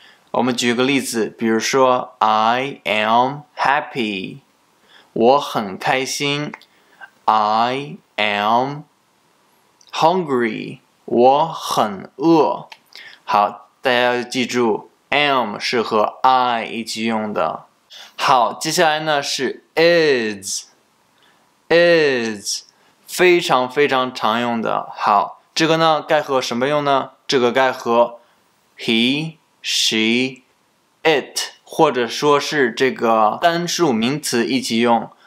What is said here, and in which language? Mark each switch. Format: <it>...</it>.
<zh>我们举个例子，比如说</zh> <en>I am happy，</en> <zh>我很开心。</zh> <en>I am hungry，</en> <zh>我很饿。好，大家要记住 am 是和 I 一起用的。好，接下来呢是 is 非常非常常用的。好，这个呢该和什么用呢？这个该和</zh> <en>he, she, it</en> <zh>或者说是这个单数名词一起用。</zh>